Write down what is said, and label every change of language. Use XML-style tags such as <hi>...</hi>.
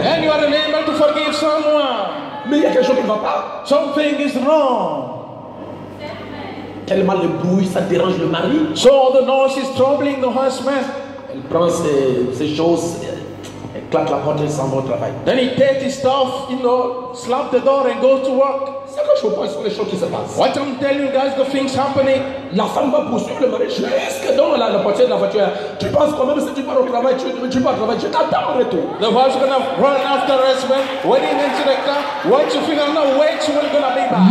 <en>And you are unable to forgive someone.</en> <fr>Mais il y a quelque chose qui ne va pas.</fr> <en>Something is wrong.</en> <fr>Tellement le bruit, ça dérange le mari.</fr> <en>So the noise is troubling the husband.</en> <fr>Elle prend ses choses, elle claque la porte et s'en va au travail.</fr> <en>Then he takes his stuff, you know, slap the door and goes to work.</en> <fr>C'est quoi, je vous pense, les choses qui se passent.</fr> <en>What I'm telling you guys, the things happening.</en> <fr>La femme va poursuivre le mari jusque dans la porte de la voiture. Tu penses quand même si tu pars au travail, tu pars au travail, je t'attends au retour.</fr> <en>The wife's gonna run after the husband, waiting into the car. Wait, you figure out where she's going to be back.</en>